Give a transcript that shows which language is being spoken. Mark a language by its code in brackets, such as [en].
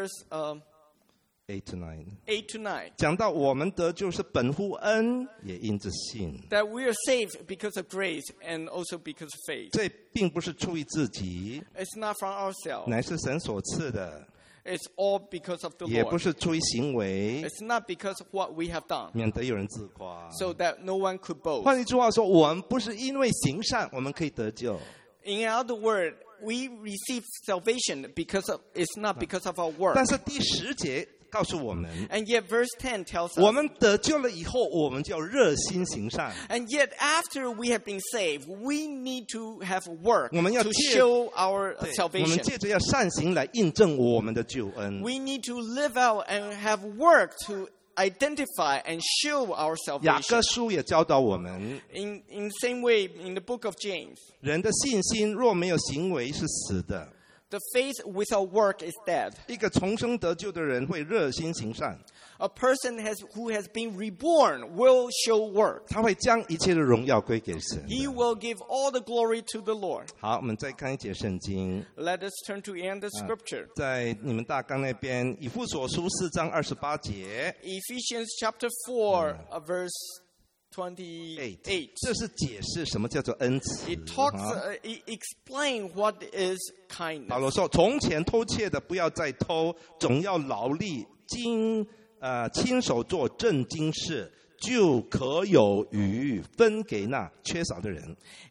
[en] 2 verse 8 to 9, [zh] 讲到我们得救是本乎恩，也因着信。 [en] That we are saved because of grace and also because of faith. [zh] 这并不是出于自己。 [en] It's not from ourselves. [zh] 乃是神所赐的。 [en] It's all because of the Lord. [zh] 也不是出于行为。 [en] It's not because of what we have done. [zh] 免得有人自夸。 [en] So that no one could boast. [zh] 换一句话说，我们不是因为行善，我们可以得救。 [en] In other words,We receive salvation because of, it's not because of our work. [zh] 但是第十节告诉我们 [en] And yet verse 10 tells us [zh] 我们得救了以后我们就要热心行善 [en] And yet after we have been saved we need to have work [zh] 我们要 [en] to show our salvation [zh] 我们借着要善行来印证我们的救恩 [en] We need to live out and have work to identify and show our salvation [zh] 雅各书也教导我们 [en] in same way in the book of James [zh] 人的信心若没有行为是死的 [en] The faith without work is dead [zh] 一个重生得救的人会热心行善 [en] A person who has been reborn will show work [zh] 他会将一切的荣耀归给神 [en] He will give all the glory to the Lord [zh] 好我们再看一节圣经 [en] Let us turn to the end of scripture [zh] 在你们大纲那边以弗所书四章二十八节 [en] Ephesians chapter 4 verse 28. [zh] 这是解释什么叫做恩慈。 [en] It explains what is kindness. [zh] 保罗说：“从前偷窃的不要再偷，总要劳力，亲手做正经事，就可有余分给那缺少的人。”